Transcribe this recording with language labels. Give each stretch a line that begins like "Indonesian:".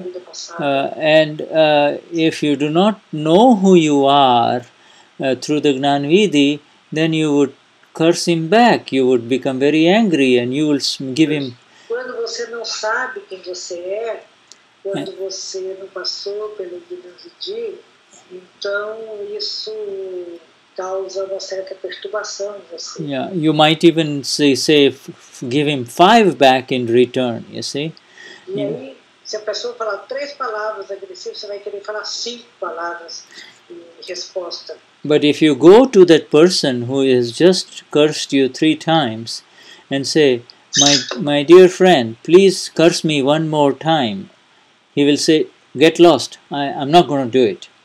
English: If you do not know who you are through the Gnanvidhi, then you would curse him back. You would become very angry and you will give him.
Portuguese: Quando você não sabe quem você é, quando você não passou pelo Gnanvidhi, então isso causa uma certa perturbação em você.
English: Yeah, you might even say give him five back in return, you see?
Portuguese: Aí, se a pessoa falar três palavras agressivas, você vai querer falar cinco palavras em resposta.
English: But if you go to that person who has just cursed you three times and say, My dear friend, please curse me one more time. He will say, get lost. I'm not going to do it.